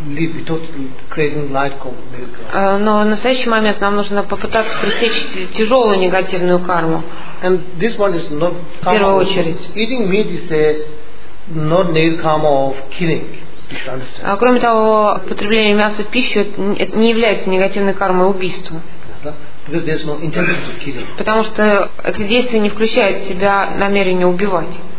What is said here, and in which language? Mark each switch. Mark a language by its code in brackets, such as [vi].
[ru] Но в настоящий момент нам нужно попытаться пресечь тяжелую негативную карму. [en] And this one is not [ru] karma. В первую очередь. [en] Eating meat is a not negative karma of killing. [ru] А кроме того, потребление мяса в пищу не является негативной кармой убийства. [en] Because there's no intention to kill. [ru] Потому что это действие не включает в себя намерение убивать.